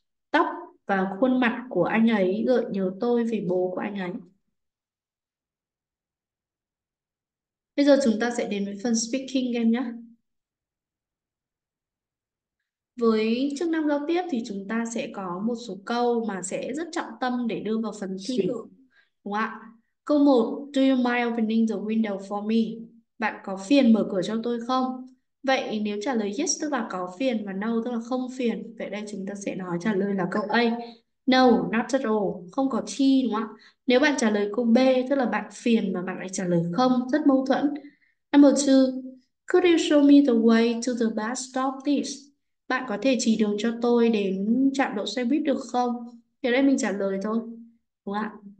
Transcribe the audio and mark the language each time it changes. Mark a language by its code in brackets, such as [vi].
[vi] Tóc và khuôn mặt của anh ấy gợi nhớ tôi về bố của anh ấy. Bây giờ chúng ta sẽ đến với phần speaking em nhé. Với chức năng giao tiếp thì chúng ta sẽ có một số câu mà sẽ rất trọng tâm để đưa vào phần thi cử. Đúng ạ? Câu 1, [en] Do you mind opening the window for me? [vi] Bạn có phiền mở cửa cho tôi không? Vậy nếu trả lời yes tức là có phiền và no tức là không phiền. Vậy đây chúng ta sẽ nói trả lời là câu A. [en] No, not at all. [vi] Không có chi đúng không ạ? Nếu bạn trả lời câu B tức là bạn phiền mà bạn lại trả lời không, rất mâu thuẫn. [en] Number 2, could you show me the way to the bus stop please? [vi] Bạn có thể chỉ đường cho tôi đến trạm đỗ xe buýt được không? Thì đây mình trả lời thôi. Đúng không ạ?